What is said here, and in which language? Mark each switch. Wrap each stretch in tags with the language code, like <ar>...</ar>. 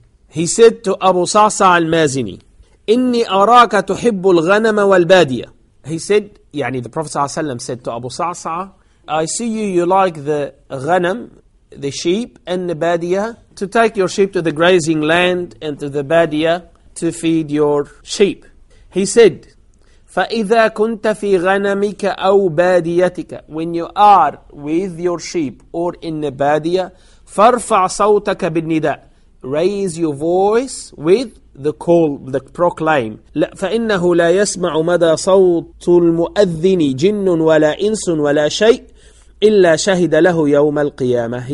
<en>He said to Abu Sa'sa' al-Mazini,</en> <ar>inni araka tuhibbu al-ghanama wal-badiya.</ar> <en>He said, yani, the Prophet ﷺ said to Abu Sa'sa', I see you like the ghanam, the sheep, and the badia, to take your sheep to the grazing land and to the badia to feed your sheep.</en> <ar>He said, فَإِذَا كُنْتَ فِي غَنَمِكَ أَوْ بَادِيَتِكَ.</ar> <en>When you are with your sheep or in the badia,</en> <ar>فَارْفَعْ صَوْتَكَ بِالنِّدَاءِ.</ar> <en>Raise your voice with the call, the proclaim.</en> <ar>فَإِنَّهُ لَا يَسْمَعُ مَدَى صَوْتُ الْمُؤَذِّنِ جِنٌ وَلَا إِنْسٌ وَلَا شَيْءٌ إِلَّا شَهِدَ لَهُ يَوْمَ الْقِيَامَةِ.</ar>